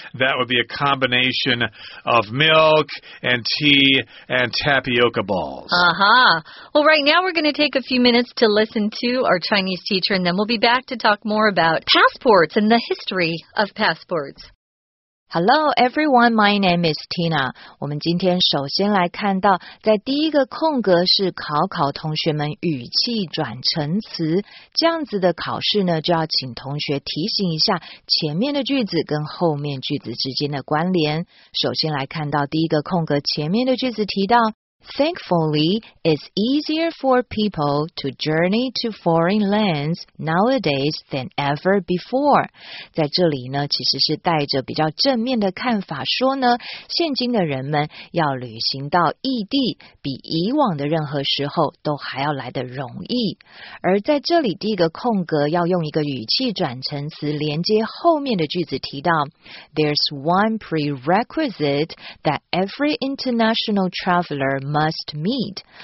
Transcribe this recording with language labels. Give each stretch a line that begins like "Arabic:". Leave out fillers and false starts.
English: That would be a combination of milk and tea and tapioca balls. Uh-huh. Well, right now we're going to take a few minutes to listen to our Chinese teacher, and then we'll be back to talk more about passports and the history of passports. Hello, everyone. My name is Tina.
Chinese: 我们今天首先来看到在第一个空格是考考同学们语气转成词。这样子的考试呢，就要请同学提醒一下前面的句子跟后面句子之间的关联。首先来看到第一个空格前面的句子提到
English: Thankfully, it's easier for people to journey to foreign lands nowadays than ever before.
Chinese: 在这里呢，其实是带着比较正面的看法说呢，现今的人们要旅行到异地，比以往的任何时候都还要来得容易。而在这里第一个空格要用一个语气转成词连接后面的句子提到
English: There's one prerequisite that every international traveler must meet.